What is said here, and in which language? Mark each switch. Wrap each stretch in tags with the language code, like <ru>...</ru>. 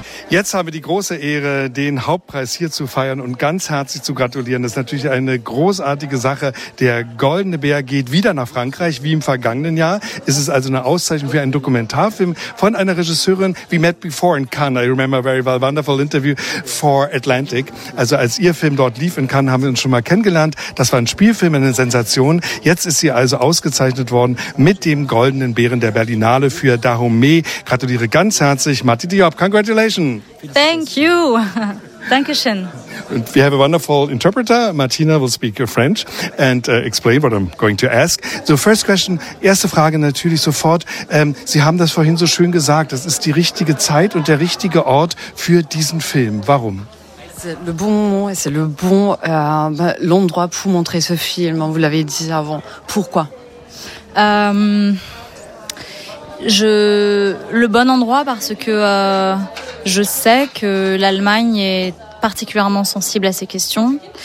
<de>Jetzt habe ich die große Ehre, den Hauptpreis hier zu feiern und ganz herzlich zu gratulieren. Das ist natürlich eine großartige Sache. Der Goldene Bär geht wieder nach Frankreich, wie im vergangenen Jahr. Es ist also eine Auszeichnung für einen Dokumentarfilm von einer Regisseurin.</de> <en>We met before in Cannes. I remember very well. Wonderful interview for Atlantic.</en> <de>Also als ihr Film dort lief in Cannes, haben wir uns schon mal kennengelernt. Das war ein Spielfilm, eine Sensation. Jetzt ist sie also ausgezeichnet worden mit dem Goldenen Bären der Berlinale für Dahomey. Gratuliere ganz herzlich. Mati Diop,</de> <en>congratulations. Thank you.</en> <de>Dankeschön.</de> <en>We have a wonderful interpreter. Martina will speak French and explain what I'm going to ask. So first question,</en> <de>erste Frage natürlich sofort. Sie haben das vorhin so schön gesagt, das ist die richtige Zeit und der richtige Ort für diesen Film. Warum?</de> <fr>Le bon moment, c'est le bon l'endroit pour montrer ce film. Vous l'avez dit avant. Pourquoi? Le bon endroit parce que je sais que l'Allemagne est particulièrement sensible à ces questions.</fr>